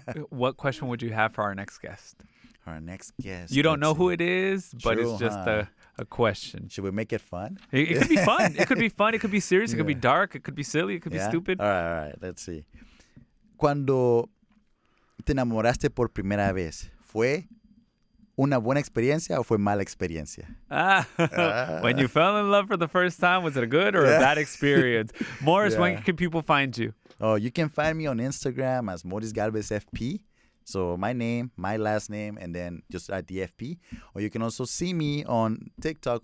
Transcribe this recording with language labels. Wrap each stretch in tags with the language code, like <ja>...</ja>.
<en>What question would you have for our next guest? Our next guest. You don't know who it is, but true, it's just a question. Should we make it fun? It could be fun. It could be fun. It could be serious. Yeah. It could be dark. It could be silly. It could be stupid. All right. Let's see.</en> <es>Cuando te enamoraste por primera vez, ¿fue una buena experiencia o fue mala experiencia?</es> <en>When you fell in love for the first time, was it a good or a bad experience? Morris, when can people find you? Oh, you can find me on Instagram as Morris Galvez FP. So my name, my last name, and then just at the FP. Or you can also see me on TikTok.</en>